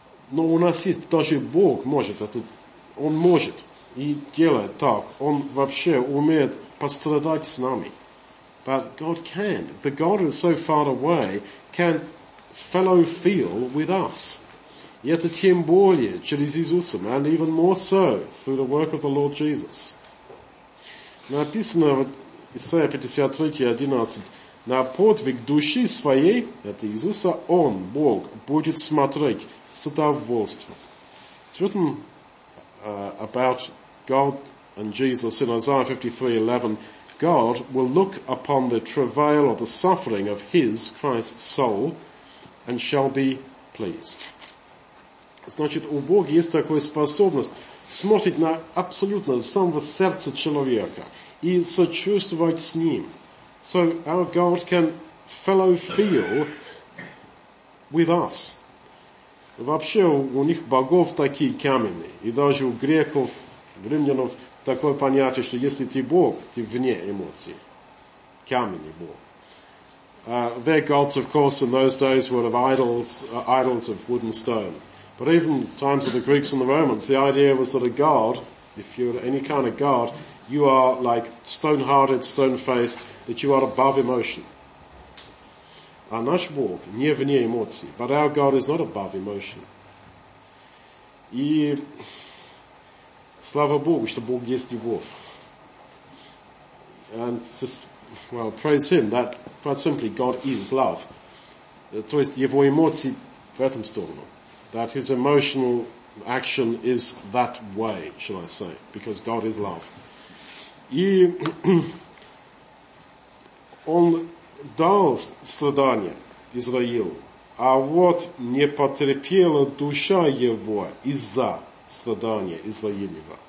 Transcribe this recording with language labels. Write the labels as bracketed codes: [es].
[ru] Но у нас есть, даже Бог может это, Он может и делает так. Он вообще умеет пострадать с нами. [en] But God can. The God who is so far away can fellow feel with us. [ru] И это тем более через Иисуса, [en] and even more so through the work of the Lord Jesus. [ru] Написано в Исаия 53:11, на подвиг души своей, это Иисуса, Он, Бог, будет смотреть с удовольствием. [en] It's written about God and Jesus in Isaiah 53:11. God will look upon the travail or the suffering of His, Christ's soul, and shall be pleased. [ru] Значит, у Бога есть такая способность смотреть на абсолютно самого сердца человека и сочувствовать с ним. [en] So our God can fellow feel with us. [ru] Вообще у них богов такие каменные, и даже у греков, у римлянов такое понятие, что если ты Бог, ты вне эмоций. Каменный Бог. [en] Their gods, of course, in those days were of idols of wood and stone. But even times of the Greeks and the Romans, the idea was that a god, if you're any kind of god, you are like stone-hearted, stone-faced, that you are above emotion. our [ru] наш Бог не вне эмоций. [en] But our God is not above emotion. [ru] И слава Богу, что Бог есть любовь. [en] And just, well, praise Him that quite simply God is love. [ru] То есть его эмоции в этом сторону. [en] That his emotional action is that way, shall I say, because God is love. [ru] И он дал страдания Израилу, а вот не потерпела душа его из-за страдания Израилева.